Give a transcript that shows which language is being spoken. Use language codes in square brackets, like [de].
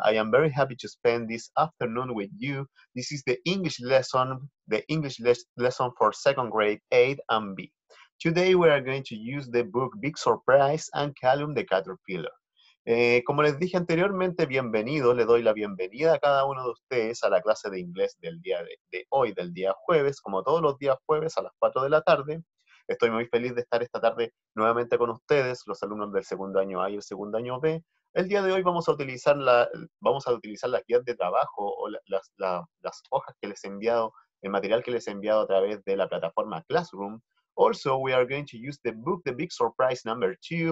[en] I am very happy to spend this afternoon with you. This is the English lesson for second grade A and B. Today, we are going to use the book Big Surprise and Calum the Caterpillar. [es] Como les dije anteriormente, bienvenido, le doy la bienvenida a cada uno de ustedes a la clase de inglés del día de hoy, del día jueves, como todos los días jueves a las 4 de la tarde. Estoy muy feliz de estar esta tarde nuevamente con ustedes, los alumnos del segundo año A y el segundo año B. El día de hoy vamos a utilizar las guías de trabajo o las hojas que les he enviado, el material que les he enviado a través de la plataforma Classroom. [en] Also, we are going to use the book, The Big Surprise Number 2.